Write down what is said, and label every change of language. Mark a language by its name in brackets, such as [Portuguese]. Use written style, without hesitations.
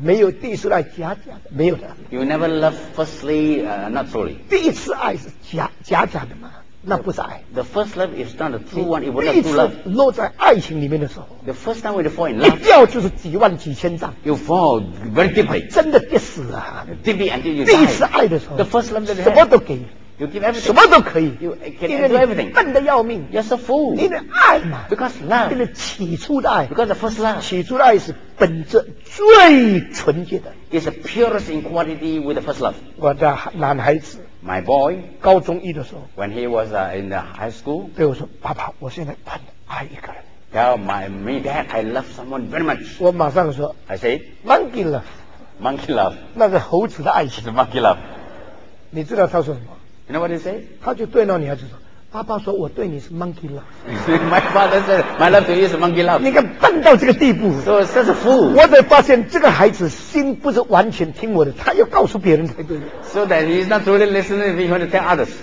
[Chinese] 没有第一次爱假假的，没有的。 [English] You never love firstly, not truly. [Chinese] 第一次爱是假假的嘛，那不是爱。 [English] The first love is not a true one. It was not true love. [Chinese] 落在爱情里面的时候 [English] ，The first time when you fall in love, [Chinese] 一掉就是几万几千丈。 [English] You fall very deeply. [Chinese] 真的跌死啊 [English] ！Deeply until you die. [Chinese] 第一次爱的时候 [English] ，The first love that you have, [Chinese] 什么都给你。 [English] You give everything. [Chinese] 什么都可以，因为 [English] everything [Chinese] 笨得要命。 [English] You're so fool. [Chinese] 因为爱嘛 [English] ，because love. [Chinese] 因为起初的爱 [English] ，because the first love. [Chinese] 起初的爱是本质最纯洁的。 [English] It's the purest in quality with the first love. [Chinese] 我的男孩子 [English] ，my boy， [Chinese] 高中一的时候 [English] ，when he was in the high school， [Chinese] 对我说：“爸爸，我现在很爱一个人。 [English] ”Tell my me that I love someone very much. [Chinese] 我马上说 [English] ，I said， monkey love， monkey love， [Chinese] 那是猴子的爱情 [English] ，the monkey love。 [Chinese] 你知道他说什么？ [English] You know what he said? [Chinese] 他就对那女孩子说：“爸爸说我对你是 [English] monkey love。 ” My father said, "My love to you is monkey love." [Chinese] 你看笨到这个地步 [English] ，so such a fool. [Chinese] 我才发现这个孩子心不是完全听我的，他要告诉别人才对。 [English] So that he's not truly listening, he wants to tell others.